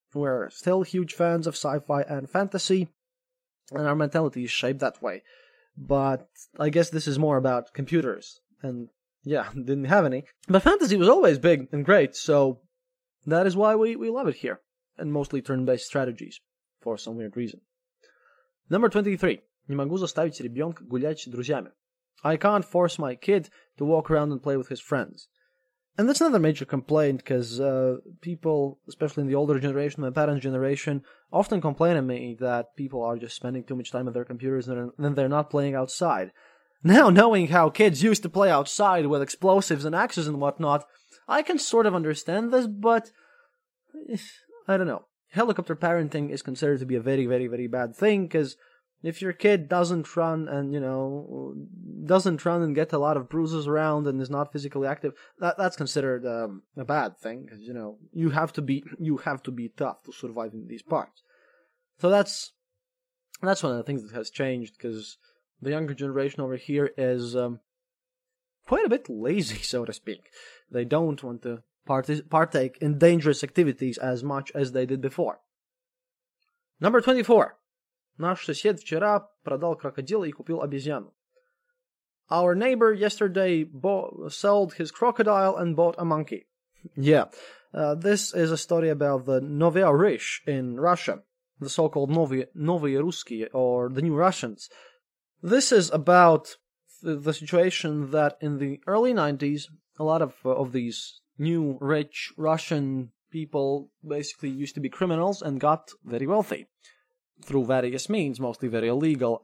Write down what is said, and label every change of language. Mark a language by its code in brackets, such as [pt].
[en] We're still huge fans of sci-fi and fantasy, and our mentality is shaped that way. But I guess this is more about computers, and yeah, didn't have any. But fantasy was always big and great, so that is why we love it here, and mostly turn-based strategies, for some weird reason. Number 23. [ru] Не могу заставить ребенка гулять с друзьями. [en] I can't force my kid to walk around and play with his friends. And that's another major complaint, because people, especially in the older generation, my parents' generation, often complain to me that people are just spending too much time on their computers and they're not playing outside. Now, knowing how kids used to play outside with explosives and axes and whatnot, I can sort of understand this, but I don't know. Helicopter parenting is considered to be a very, very, very bad thing, because if your kid doesn't run and get a lot of bruises around and is not physically active, that's considered a bad thing, because, you know, you have to be tough to survive in these parts. So that's one of the things that has changed, because the younger generation over here is quite a bit lazy, so to speak. They don't want to partake in dangerous activities as much as they did before. Number 24. [ru] Наш сосед вчера продал крокодила и купил обезьяну. [en] Our neighbor yesterday sold his crocodile and bought a monkey. Yeah, this is a story about the Novaya Rish in Russia, the so-called Novaya Ruskiye, or the New Russians. This is about the situation that in the early 90s, a lot of these new rich Russian people basically used to be criminals and got very wealthy through various means, mostly very illegal.